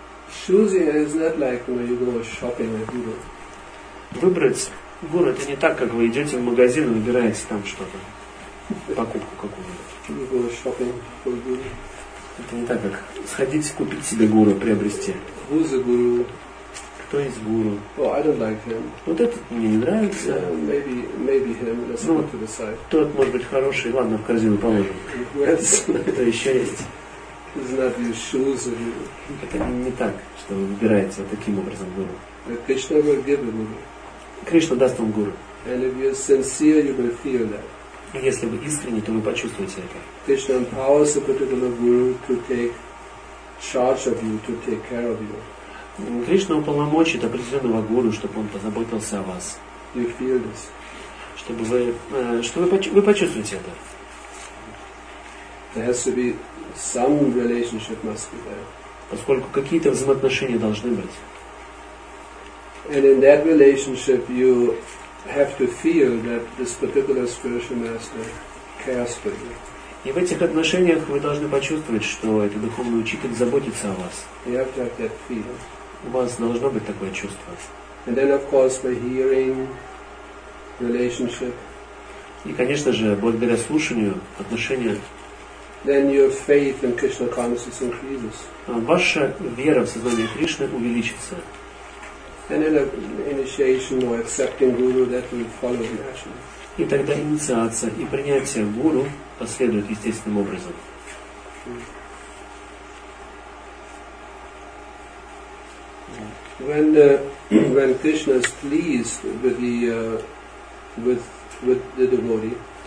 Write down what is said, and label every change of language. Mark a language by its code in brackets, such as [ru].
[en] Choosing is not like when you go shopping at guru. [ru] Выбрать гуру — это не так, как вы идете в магазин и выбираете там что-то. Покупку какую-нибудь. [en] You go shopping for guru. [ru] Это не так, как сходить купить себе гуру, приобрести. [en] Who's the guru? [ru] Кто из гуру? [en] Oh, I don't like him. [ru] Вот этот мне не нравится. [en] Yeah, maybe him. Let's put to the side. [ru] Тот может быть хороший. Ладно, в корзину положим. [en] Yes. [ru] Это еще есть. [en] It's not your shoes or you. [ru] Это не так, что вы выбираете вот таким образом гуру. [en] Кришна will give a guru. [ru] Кришна даст вам гуру. [en] And if you're sincere, you will feel that. [ru] Если вы искренне, то вы почувствуете это. [en] Кришна empowers a particular guru to take charge of you, to take care of you. [ru] Кришна уполномочит определенного гуру, чтобы он позаботился о вас. [en] You feel this. [ru] Чтобы вы, вы почувствуете это. [en] There has to be some relationship must be there. [ru] Поскольку какие-то взаимоотношения должны быть. [en] And in that relationship you have to feel that this particular spiritual master cares for you. [ru] И в этих отношениях вы должны почувствовать, что этот духовный учитель заботится о вас. [en] You have to have that feeling. [ru] У вас должно быть такое чувство. [en] And then, of course, by hearing, relationship. [ru] И, конечно же, благодаря слушанию, отношения. [en] Then your faith in Krishna consciousness increases. [ru] Ваша вера в сознание Кришны увеличится. [en] And then initiation or accepting guru that will follow naturally. [ru] И тогда инициация и принятие гуру последует естественным образом. [en] When Krishna is pleased with the devotee,